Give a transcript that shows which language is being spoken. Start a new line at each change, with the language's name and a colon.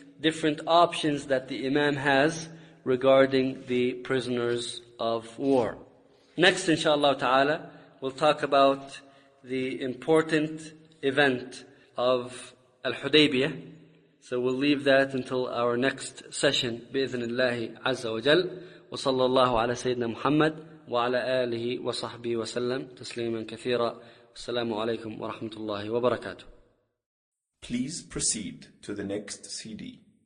English: different options that the imam has regarding the prisoners of war. Next, inshallah ta'ala, we'll talk about the important event of Al-Hudaybiyah. So we'll leave that until our next session,
Arabic: بإذن الله عز وجل. وصلى الله على سيدنا محمد وعلى آله وصحبه وسلم تسليما كثيرا. السلام عليكم ورحمة الله وبركاته.
English: Please proceed to the next CD.